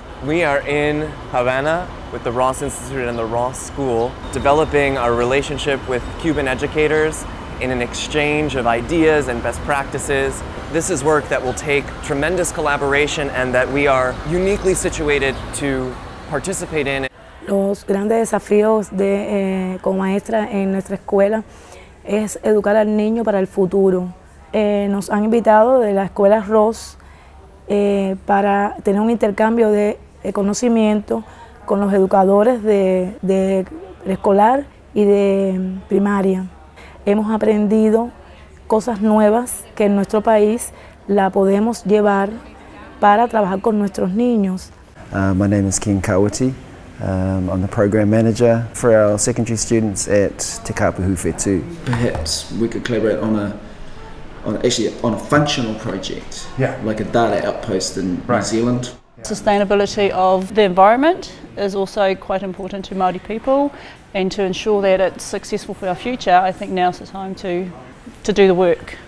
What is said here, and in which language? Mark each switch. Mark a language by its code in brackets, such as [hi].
[en] We are in Havana with the Ross Institute and the Ross School, developing our relationship with Cuban educators in an exchange of ideas and best practices. This is work that will take tremendous collaboration and that we are uniquely situated to participate in. [es] Los grandes desafíos de como maestra en nuestra escuela es educar al niño para el futuro. Nos han invitado de la escuela Ross para tener un intercambio de conocimiento con los educadores de preescolar y de primaria. Hemos aprendido cosas nuevas que en nuestro país la podemos llevar para trabajar con nuestros niños. [en] My name is Ken Kawati. I'm the program manager for our secondary students at Te Kapuhu Whetū. Perhaps we could collaborate on a functional project, like a data outpost in New Zealand. Sustainability of the environment is also quite important to Māori people, and to ensure that it's successful for our future, I think now's the time to do the work.